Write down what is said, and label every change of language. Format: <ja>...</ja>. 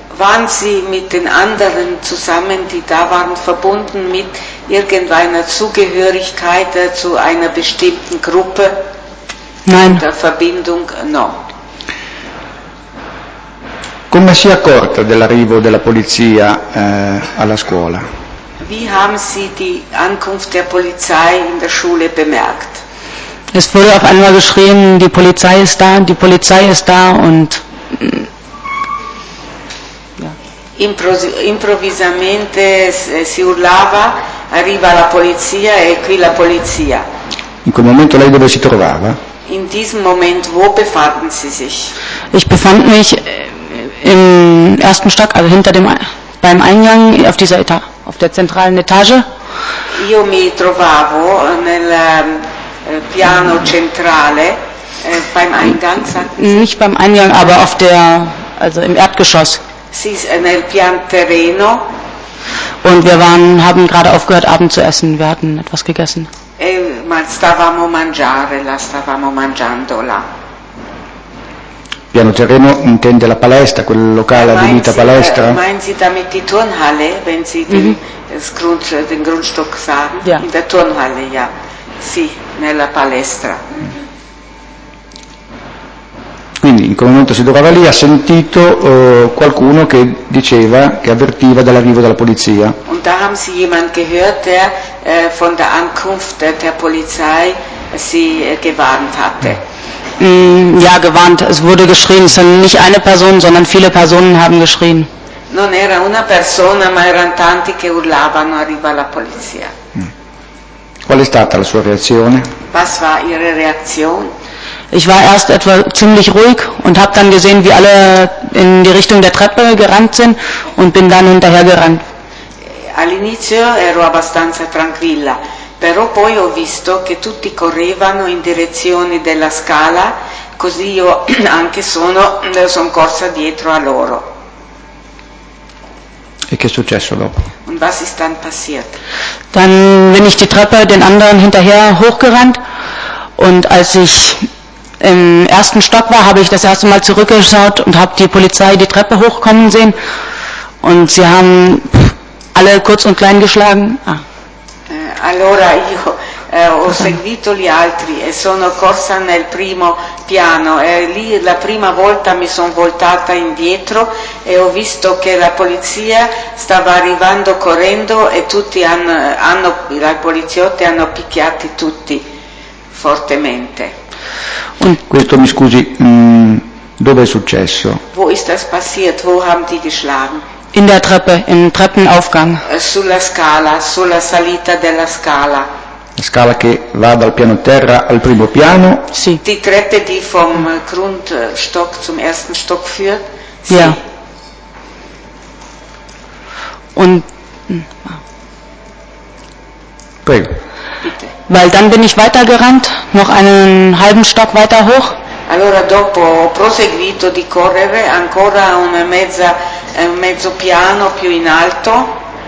<de>Waren sie mit den anderen zusammen, die da waren, verbunden mit irgendeiner Zugehörigkeit zu einer bestimmten Gruppe? Nein. Der Verbindung? No.</de> <it>Come si è accorta dell'arrivo della polizia alla scuola?</it> <de>Wie haben Sie die Ankunft der Polizei in der Schule bemerkt? Es wurde auf einmal geschrien, die Polizei ist da, die Polizei ist da und... Ja.</de> <it>Improvvisamente si urlava, arriva la polizia e qui la polizia. In quel momento lei dove si trovava?</it> <de>In diesem Moment, wo befanden Sie sich? Ich befand mich im ersten Stock, also hinter dem... beim Eingang auf dieser Etage, auf der zentralen Etage.</de> <it>Io mi trovavo nel piano centrale</it> <de>beim Eingang. Nicht beim Eingang, aber auf der, also im Erdgeschoss.</de> <it>Sì, nel pian terreno.</it> <de>Und wir haben gerade aufgehört, Abend zu essen. Wir hatten etwas gegessen.</de> <it>E ma stavamo mangiare, la stavamo mangiando là. Piano terreno intende la palestra, quel locale adibito a palestra?</it> <de>Meinen Sie damit die Turnhalle, wenn Sie den Grundstock sagen? Ja. In der Turnhalle, ja.</de> <it>Sì, nella palestra. Quindi in quel momento si trovava lì, ha sentito qualcuno che diceva, che avvertiva dell'arrivo della polizia.</it> <de>Und da haben Sie jemand gehört, der von der Ankunft der Polizei Sie gewarnt hatte. Ja, gewarnt. Es wurde geschrien. Es sind nicht eine Person, sondern viele Personen haben geschrien.</de> <it>Non era una persona, ma erano tanti che urlavano. Arriva la polizia. Qual è stata la sua reazione?</it> <de>Was war ihre Reaktion? Ich war erst etwa ziemlich ruhig und habe dann gesehen, wie alle in die Richtung der Treppe gerannt sind und bin dann hinterher gerannt.</de> <it>All'inizio ero abbastanza tranquilla. Però poi ho visto che tutti correvano in direzione della scala, così io anche sono corsa dietro a loro. E che è successo dopo?</it> <de>Und was ist dann passiert? Dann bin ich die Treppe den anderen hinterher hochgerannt und als ich im ersten Stock war, habe ich das erste Mal zurückgeschaut und habe die Polizei die Treppe hochkommen sehen und sie haben alle kurz und klein geschlagen. Ah.</de> <it>Allora io ho seguito gli altri e sono corsa nel primo piano e lì la prima volta mi sono voltata indietro e ho visto che la polizia stava arrivando correndo e tutti hanno i poliziotti hanno picchiato tutti fortemente. Questo mi scusi, dove è successo?</it> <de>Wo ist das passiert? Wo haben die geschlagen? In der Treppe, im Treppenaufgang.</de> <it>Sulla scala, sulla salita della scala. La scala che va dal piano terra al primo piano. Sì.</it> <de>Die Treppe, die vom Grundstock zum ersten Stock führt.</de> <it>Sì. Ja.</it> <de>Und.</de> <it>Prego.</it> <de>Bitte. Weil dann bin ich weitergerannt, noch einen halben Stock weiter hoch.</de> <it>Allora dopo ho proseguito di correre ancora mezzo piano più in alto.</it>